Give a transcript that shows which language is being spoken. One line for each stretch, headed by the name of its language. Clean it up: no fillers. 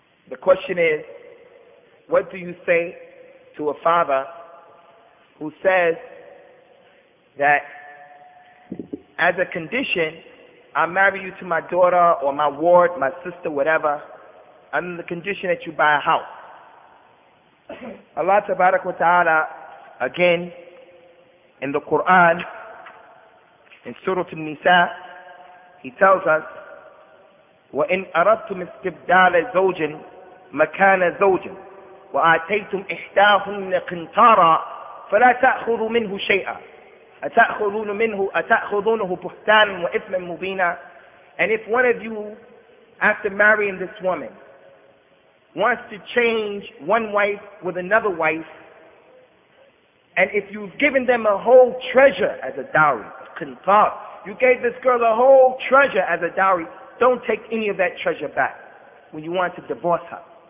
English: The question is, what do you say to a father who says that as a condition, I marry you to my daughter or my ward, my sister, whatever, under the condition that you buy a house? Allah tabaraka wa ta'ala, again, in the Quran, in Surah An-Nisa, he tells us,
Arabic: وَإِنْ أَرَدْتُمْ إِسْتِبْدَالَ زَوْجٍ مَكَانَ زَوْجٍ وَآتَيْتُمْ إِحْدَاهُنَّ قِنْطَارًا فَلَا تَأْخُذُوا مِنْهُ شَيْئًا أَتَأْخُذُونَهُ بُهْتَانًا وَإِثْمًا مُبِينًا.
English: And if one of you, after marrying this woman, wants to change one wife with another wife, and if you've given them a whole treasure as a dowry, قِنْطَار, you gave this girl a whole treasure as a dowry, don't take any of that treasure back when you want to divorce her.